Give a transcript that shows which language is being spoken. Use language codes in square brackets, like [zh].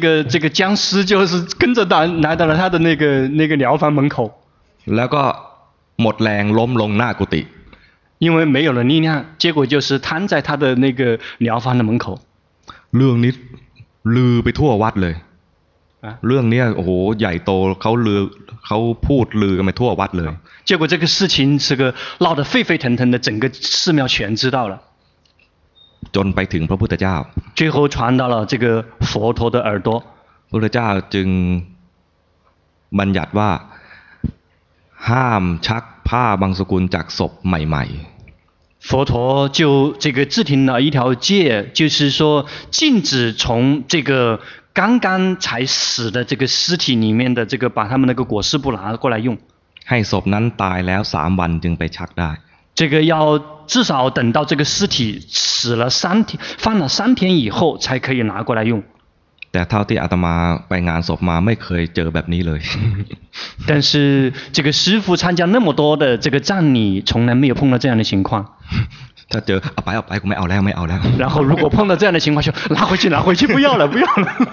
[zh] 这个僵尸就是跟着来到了他的那个寮房门口 [th] แล้วก็หมดแรงล้มลงหน้ากุฏิ [zh] 因为没有了力量结果就是瘫在他的那个寮房的门口 [th] เรื่องนี้ลือไปทั่ววัดเลยเรื่องนี้โอ้โหใหญ่โตเขาลือเขาพูดลือกันไปทั่ววัดเลย [zh] 结果这个事情是个闹得沸沸腾腾的整个寺庙全知道了 [th] จนไปถึงพระพุทธเจ้า [zh] 最后传到了这个佛陀的耳朵 [th] พุทธเจ้าจึงบัญญัติว่าห้ามชักผ้าบังสุกุลจากศพใหม่ [zh] ๆ佛陀就这个制定了一条戒就是说禁止从这个刚刚才死的这个尸体里面的这个把他们那个裹尸布拿过来用 [th] ให้ศพนั้นตายแล้ว3วันจึงไปชักได้ [zh] 这个要至少等到这个尸体死了三天放了三天以后才可以拿过来用 [th] แต่เท่าที่อาตมาไปงานศพมาไม่เคยเจอแบบนี้เลย [zh] 但是这个师父参加那么多的这个葬礼从来没有碰到这样的情况 [th] ถ้าเจอเอาไปเอาไปกูไม่เอาแล้วไม่เอาแล้ว [zh] 然后如果碰到这样的情况就拿回去拿回去不要了不要了